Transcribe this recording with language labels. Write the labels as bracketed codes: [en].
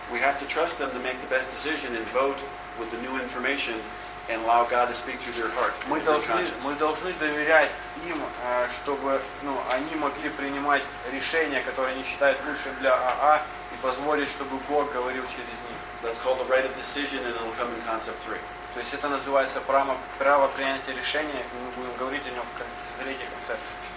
[en] We have to trust them to make the best decision and vote with the new information and allow God to speak through their heart. [ru] Мы должны, доверять им, чтобы, ну, они могли принимать решения, которые они считают лучшим для АА, и позволить, чтобы Бог говорил через них. [en] That's called the right of decision, and it'll come in concept 3. [ru] То есть это называется право, принятия решения, и мы будем говорить о нем в конце третьей концепции.